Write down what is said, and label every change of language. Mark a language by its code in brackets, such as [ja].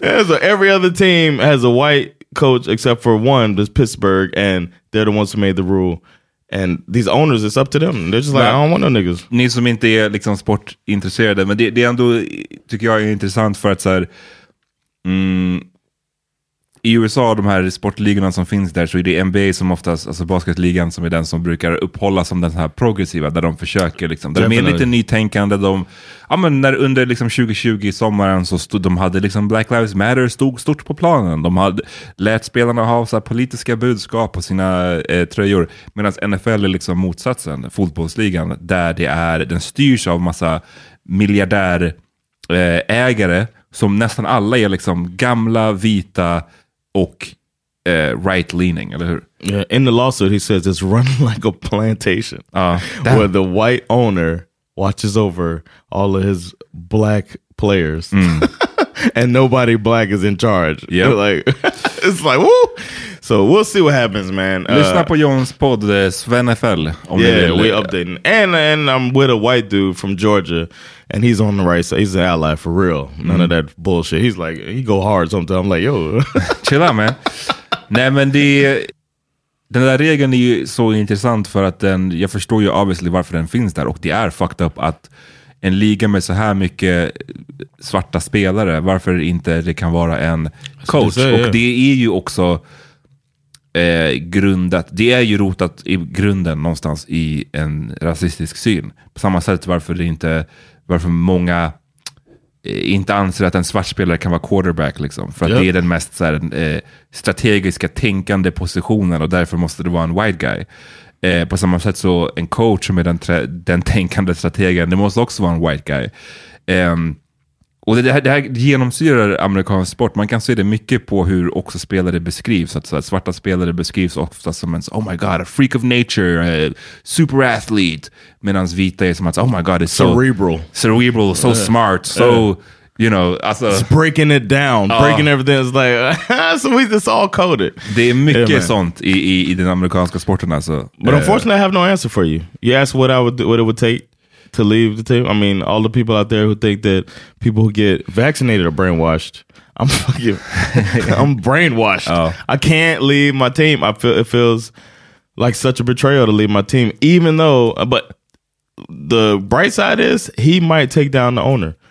[en] Yeah, so every other team has a white coach except for one, this Pittsburgh, and they're the ones who made the rule. And these owners, it's up to them. They're just like, I don't want no niggas. [sv] Ni som inte är liksom sportintresserade, men det är ändå, tycker jag, är intressant för att så här, i USA, de här sportligorna som finns där, så är det NBA som oftast, alltså basketligan, som är den som brukar upphålla som den här progressiva, där de försöker liksom. Där de är lite nytänkande. Under liksom 2020 i sommaren så stod, de hade liksom Black Lives Matter stod stort på planen. De hade lät spelarna ha så här politiska budskap på sina tröjor. Medan NFL är liksom motsatsen, fotbollsligan, där det är, den styrs av massa miljardär ägare som nästan alla är liksom gamla, vita och [en] right leaning, [sv] eller hur? [en] Yeah, in the lawsuit he says it's run like a plantation. Where the white owner watches over all of his black players. And nobody black is in charge. Yep. Like, it's like, woo! So we'll see what happens, man. [sv] Lyssna på Jons podd, Sven FL. [en] Yeah, we're updating. And I'm with a white dude from Georgia, and he's on the right side. He's an ally for real. None of that bullshit. He's like, he go hard sometimes. I'm like, yo. Chill out, man. [sv] Nej, men det, den där regeln är ju så intressant för att den, jag förstår ju obviously varför den finns där. Och det är fucked up att en liga med så här mycket svarta spelare, varför inte det kan vara en coach? Say, och det är ju också grundat, det är ju rotat i grunden någonstans i en rasistisk syn. På samma sätt varför det inte, varför många inte anser att en svart spelare kan vara quarterback liksom, för att det är den mest så här, strategiska tänkande positionen och därför måste det vara en [en] white guy. [sv] På samma sätt så en coach som är den tänkande strategen, det måste också vara en [en] white guy. [sv] Och det här genomsyrar amerikansk sport. Man kan se det mycket på hur också spelare beskrivs. Så att svarta spelare beskrivs ofta som en, [en] oh my god, a freak of nature, a super athlete. [sv] Medan vita är som att, [en] oh my god, it's so cerebral, so smart, so, you know. Alltså, it's breaking it down, breaking everything. It's like, so we just all coded. [sv] Det är mycket sånt i den amerikanska sporten. Alltså. [en] But unfortunately, I have no answer for you. You asked what it would take to leave the team. I mean, all the people out there who think that people who get vaccinated are brainwashed. I'm fucking, I'm brainwashed. Oh. I can't leave my team. I feel it feels like such a betrayal to leave my team, even though, but the bright side is he might take down the owner.